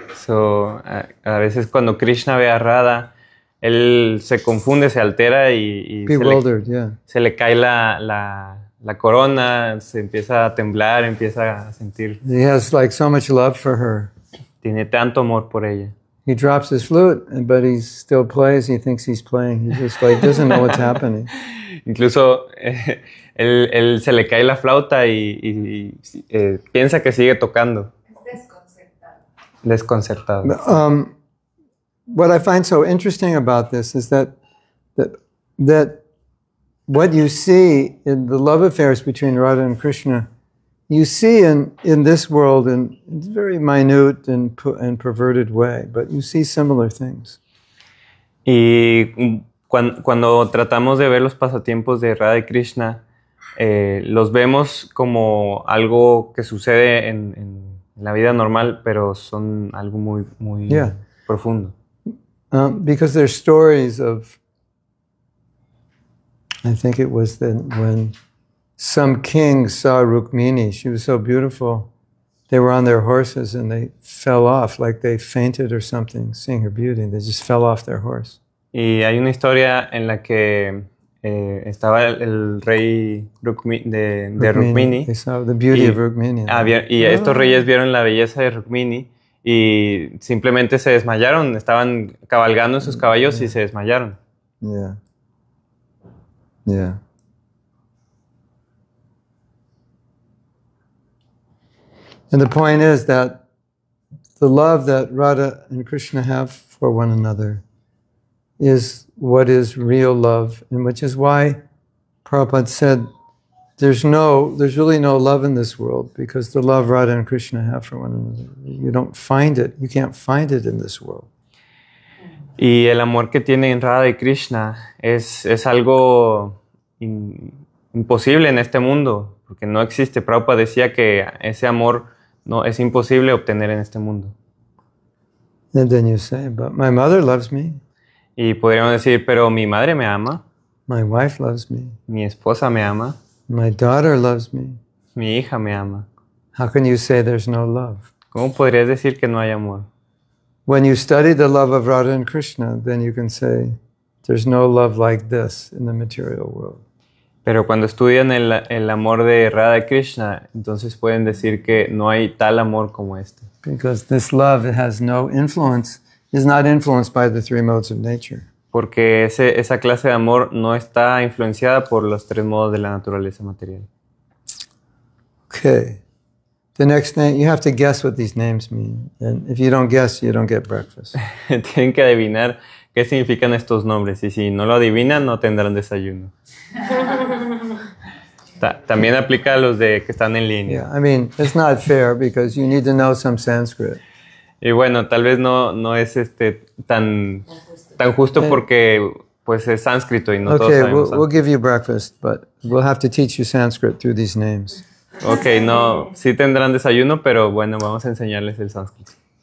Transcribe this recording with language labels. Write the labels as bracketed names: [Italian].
[Spanish] So, a veces cuando Krishna ve a Radha, él se confunde, se altera y se le cae la corona, se empieza a temblar, empieza a sentir. [English] He has like so much love for her. [Spanish] Tiene tanto amor por ella. [English] He drops his flute, but he still plays. He thinks he's playing. He just like doesn't know what's happening. [Spanish] Incluso él se le cae la flauta y piensa que sigue tocando. Desconcertado. [English] What I find so interesting about this is that what you see in the love affairs between Radha and Krishna, you see in this world in very minute and perverted way, but you see similar things. [Spanish] Y cuando tratamos de ver los pasatiempos de Radha y Krishna, Los vemos como algo que sucede en la vida normal, pero son algo muy, muy profundo. [English] Because there's stories of, I think it was that when some king saw Rukmini, she was so beautiful, they were on their horses and they fell off, like they fainted or something, seeing her beauty, they just fell off their horse. [Spanish] Y hay una historia en la que estaba el rey de Rukmini. [English] They saw the beauty of Rukmini. [Spanish] Estos reyes vieron la belleza de Rukmini y simplemente se desmayaron, estaban cabalgando en sus caballos y se desmayaron. [English] And the point is that the love that Radha and Krishna have for one another is what is real love, and which is why Prabhupada said there's really no love in this world, because the love Radha and Krishna have for one another, you don't find it, you can't find it in this world. [Spanish] Y el amor que tienen Radha y Krishna es algo imposible en este mundo, porque no existe. Prabhupada decía que ese amor no es imposible obtener en este mundo. [English] And then you say, but my mother loves me. [Spanish] Y podríamos decir, pero mi madre me ama. [English] My wife loves me. [Spanish] Mi esposa me ama. [English] My daughter loves me. [Spanish] Mi hija me ama. [English] How can you say there's no love? [Spanish] ¿Cómo podrías decir que no hay amor? [English] When you study the love of Radha and Krishna, then you can say there's no love like this in the material world. [Spanish] Pero cuando estudian el amor de Radha Krishna, entonces pueden decir que no hay tal amor como este. [English] Because this love has no influence, is not influenced by the three modes of nature. [Spanish] Porque esa clase de amor no está influenciada por los tres modos de la naturaleza material. [English] Okay. The next name, you have to guess what these names mean. And if you don't guess, you don't get breakfast. [Spanish] Tienen que adivinar qué significan estos nombres. Y si no lo adivinan, no tendrán desayuno. También aplica a los de que están en línea. [English] Yeah, I mean, it's not fair because you need to know some Sanskrit. [Spanish] Y bueno, tal vez no es tan justo porque pues es sánscrito y no todos sabemos. [English] Okay, we'll give you breakfast, but we'll have to teach you Sanskrit through these names. [Spanish] Okay, no, sí tendrán desayuno, pero bueno, vamos a enseñarles el sánscrito.